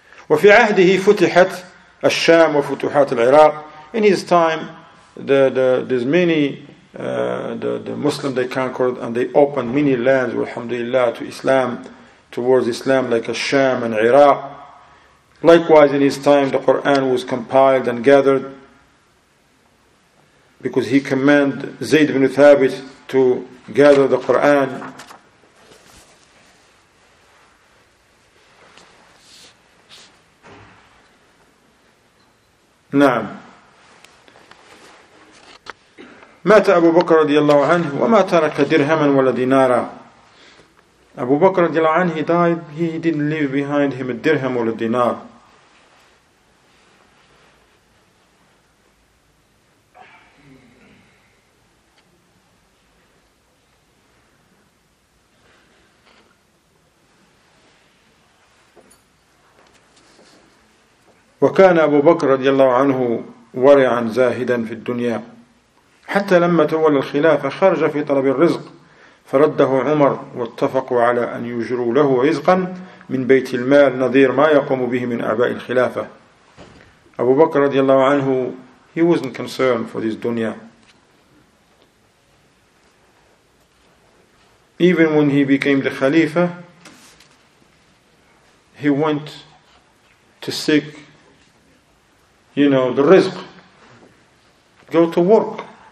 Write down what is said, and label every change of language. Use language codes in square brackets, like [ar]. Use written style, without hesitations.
[ar] وفي عهده فتحت الشام وفتحات العراق. [en] In his time, there's many the Muslim they conquered, and they opened many lands, alhamdulillah, to Islam, towards Islam, like Sham and Iraq. Likewise, in his time, the Quran was compiled and gathered because he commanded Zayd ibn Thabit to gather the Quran. [ar] Naam. مات أبو بكر رضي الله عنه وما ترك درهما ولا دينارا. [en] Abu Bakr [ar] رضي الله عنه, [en] he died, he didn't leave behind him a dirham or a dinar. [ar] وكان أبو بكر رضي الله عنه ورعا زاهدا في الدنيا حتى لما تولى الخلافة خرج في طلب الرزق فرده عمر واتفقوا على أن يجروا له رزقا من بيت المال نظير ما يقوم به من أعباء الخلافة. [en] أبو بكر [ar] رضي الله عنه, [en] he wasn't concerned for this dunya. Even when he became the Khalifa, he went to seek, you know, the rizq. Go to work.